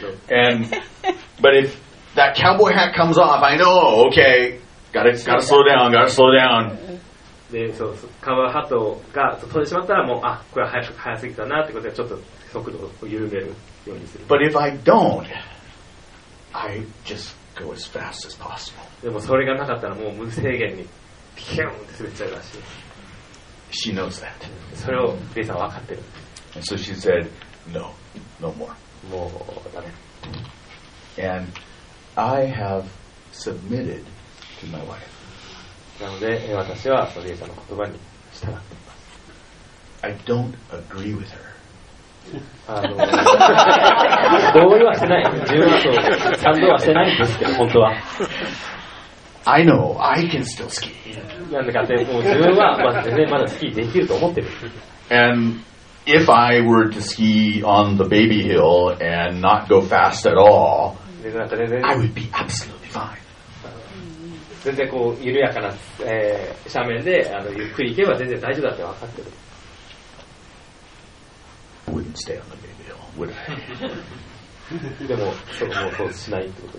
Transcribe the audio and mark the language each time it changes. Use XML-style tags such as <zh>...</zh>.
<en>And, but if that cowboy hat comes off, I know, okay, gotta slow down.</en> <ja>でそうカバーハットが飛んでしまったらもうあこれは早すぎたなってことでちょっと速度を緩めるようにする。</ja> <en>But if I don't, I just go as fast as possible.</en> <ja>でもそれがなかったらもう無制限にピューンって滑っちゃうらしい。</ja> <en>She knows that.</en> <ja>それをリーさんは分かってる。</ja> <en>And so she said, no, no more.</en> <ja>もうダメ。</ja> <en>And I have submitted to my wife.</en> <ja>なので私はリエさんの言葉に従っています。</ja> <en>I don't agree with her.</en> <ja>同意はしてない。自分はそう。賛同はしてないんですけど、本当は。</ja> <en>I know, I can still ski.</en> <ja>なんでかって、もう自分はまだ全然まだスキーできると思ってる。</ja> <en>And if I were to ski on the baby hill and not go fast at all, I would be absolutely fine.</en> <ja>全然こう緩やかな、斜面でゆっくり行けば全然大丈夫だって分かってる。</ja> <en>I wouldn't stay on the baby hill, would I?</en> <ja>でもそれもそうしないってこと</ja>